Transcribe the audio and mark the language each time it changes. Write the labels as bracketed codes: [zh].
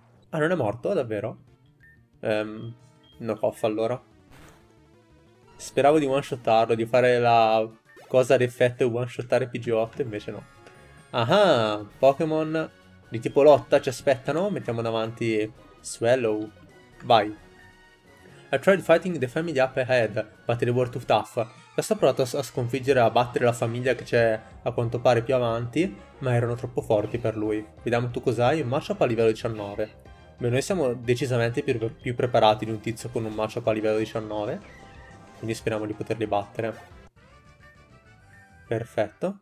[it] Ah, non è morto, davvero? Knock off allora. Speravo di one-shotarlo, di fare la cosa ad effetto e one-shotare PG8, invece no. Aha, Pokémon di tipo lotta ci aspettano. Mettiamo davanti Swallow. Vai. [en] I tried fighting the family up ahead, but they were too tough. [it] Questo ho provato a sconfiggere, a battere la famiglia che c'è a quanto pare più avanti, ma erano troppo forti per lui. Vediamo tu cos'hai, un matchup a livello 19. Beh, noi siamo decisamente più preparati di un tizio con un matchup a livello 19, quindi speriamo di poterli battere. Perfetto.